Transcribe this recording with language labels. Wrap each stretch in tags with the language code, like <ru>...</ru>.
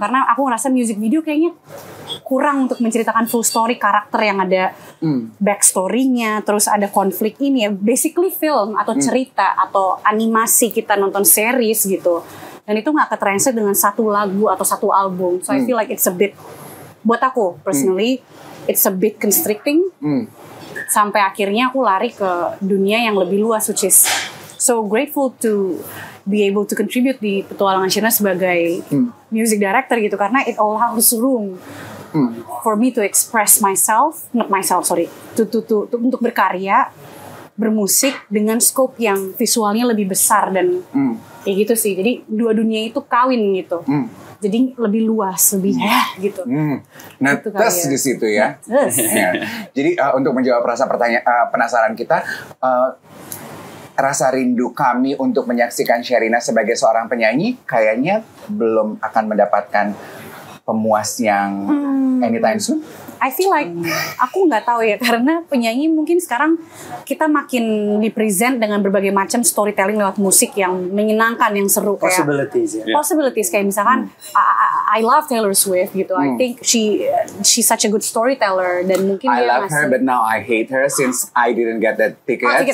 <id>Karena aku ngerasa music video kayaknya kurang untuk menceritakan full story karakter yang ada backstory-nya, terus ada konflik ini ya. Basically film atau cerita atau animasi kita nonton series gitu. Dan itu gak ketranslate dengan satu lagu atau satu album.</id> <en>So I feel like it's a bit,</en> <id>buat aku</id> <en>personally, it's a bit constricting.</en> <id>Sampai akhirnya aku lari ke dunia yang lebih luas,</id> <en>which is so grateful to be able to contribute</en> <id>di petualangan Sherina sebagai music director gitu. Karena</id> <en>it allows room for me to express myself, not myself, sorry, to</en> <id>untuk berkarya, bermusik dengan scope yang visualnya lebih besar dan ya gitu sih. Jadi dua dunia itu kawin gitu. Jadi lebih luas, lebih gitu. Netes di situ ya. Jadi untuk menjawab rasa pertanyaan penasaran kita, rasa rindu kami untuk menyaksikan Sherina sebagai seorang penyanyi kayaknya belum akan mendapatkan pemuas yang</id> <en>anytime soon. I feel like</en> <id>aku nggak tahu ya, karena penyanyi mungkin sekarang kita makin dipresent dengan berbagai macam storytelling lewat musik yang menyenangkan, yang seru.</id> <en>Possibilities</en> <id>kayak, possibilities kayak misalkan</id> <en>I love</en> <id>Taylor Swift gitu.</id> <en>I think she's such a good storyteller,</en> <id>dan mungkin</id> <en>I love her but now I hate her since I didn't get that ticket.</en>